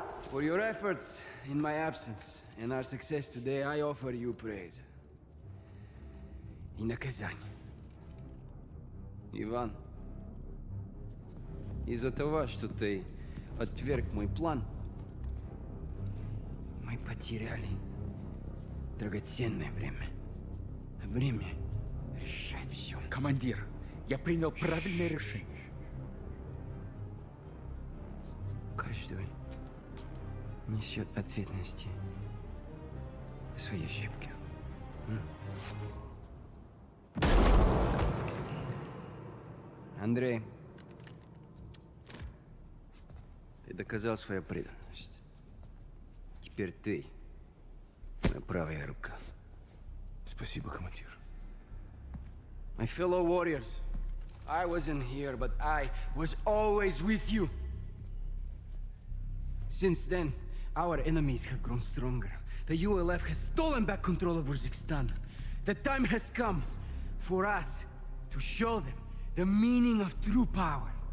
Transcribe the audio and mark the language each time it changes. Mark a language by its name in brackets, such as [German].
[English] For your efforts in my absence and our success today, I offer you praise. In the Kazan. [Russian] Иван, из-за того, что ты отверг мой план, мы потеряли драгоценное время. Время решает все. Командир, я принял правильное решение. Каждый несет ответственности свои ошибки. Андрей, ты доказал свою преданность. Теперь ты моя правая рука. Спасибо, командир. [English] My fellow warriors, I wasn't here, but I was always with you. Since then, our enemies have grown stronger. The ULF has stolen back control of Uzbekistan. The time has come for us to show them the meaning of true power.